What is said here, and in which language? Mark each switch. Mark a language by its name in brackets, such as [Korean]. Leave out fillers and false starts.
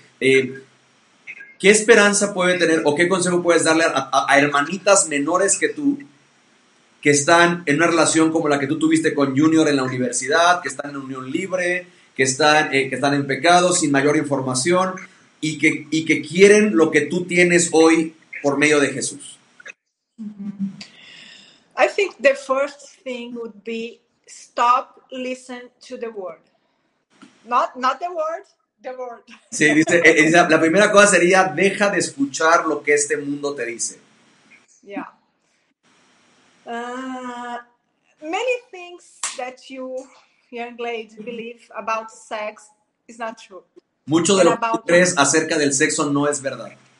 [Spanish] ¿Qué esperanza puede tener o qué consejo puedes darle a hermanitas menores que tú, que están en una relación como la que tú tuviste con Junior en la universidad, que están en unión libre, que están en pecado, sin mayor información, y que quieren lo que tú tienes hoy por medio de Jesús? [English] I think the first thing would be stop listening to the word. Not the word, the word. [Spanish] Sí, dice, la primera cosa sería deja de escuchar lo que este mundo te dice. Yeah. [English] Many things that you, young lady, believe about sex is not true. [Spanish] Mucho de lo que tú crees acerca del sexo no es verdad.